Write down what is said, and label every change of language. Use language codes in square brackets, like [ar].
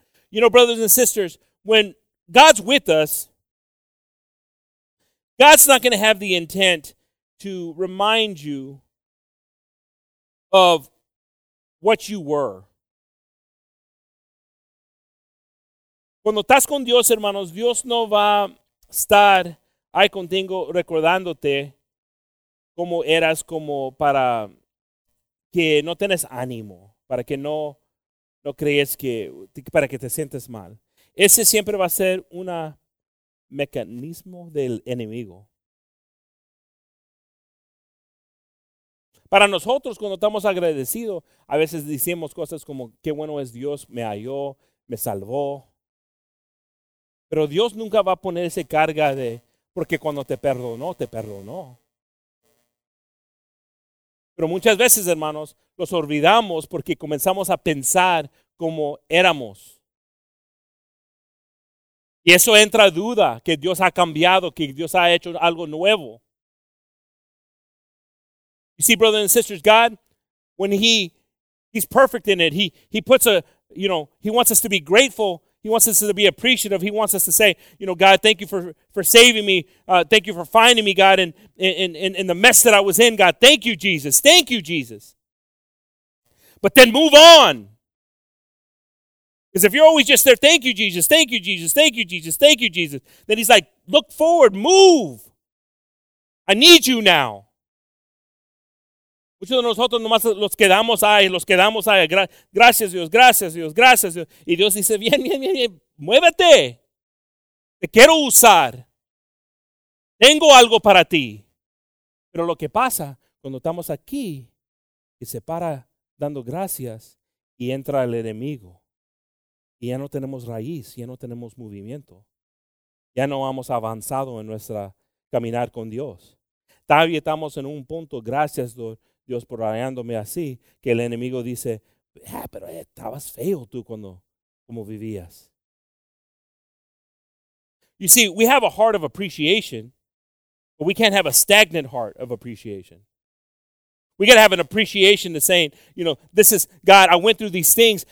[en] You know, brothers and sisters, when God's with us, God's not going to have the intent to remind you of what you were. [es] Cuando estás con Dios, hermanos, Dios no va a estar ahí contigo recordándote cómo eras, como para que no tenés ánimo, para que no crees que, para que te sientes mal. Ese siempre va a ser un mecanismo del enemigo. Para nosotros, cuando estamos agradecidos, a veces decimos cosas como, qué bueno es Dios, me halló, me salvó. Pero Dios nunca va a poner esa carga de, porque cuando te perdonó, te perdonó. Pero muchas veces, hermanos, los olvidamos porque comenzamos a pensar como éramos. Y eso entra duda, que Dios ha cambiado, que Dios ha hecho algo nuevo. [en] You see, brothers and sisters, God, when he's perfect in it, he puts a, you know, he wants us to be grateful. He wants us to be appreciative. He wants us to say, you know, God, thank you for saving me. Thank you for finding me, God, in the mess that I was in. God, thank you, Jesus. Thank you, Jesus. But then move on. Because if you're always just there, thank you, Jesus, thank you, Jesus, thank you, Jesus, thank you, Jesus, then he's like, look forward, move. I need you now. [es] Muchos de nosotros nomás los quedamos ahí, gracias Dios, gracias Dios, gracias Dios. Y Dios dice, bien, bien, bien, bien, muévete. Te quiero usar. Tengo algo para ti. Pero lo que pasa cuando estamos aquí, que se para dando gracias y entra el enemigo. Y ya no tenemos raíz, ya no tenemos movimiento. Ya no hemos avanzado en nuestra caminar con Dios. Todavía estamos en un punto, gracias Dios por hallándome así, que el enemigo dice, ah, pero estabas feo tú cuando, como vivías. [en] You see, we have a heart of appreciation, but we can't have a stagnant heart of appreciation. We got to have an appreciation to saying, you know, this is God, I went through these things.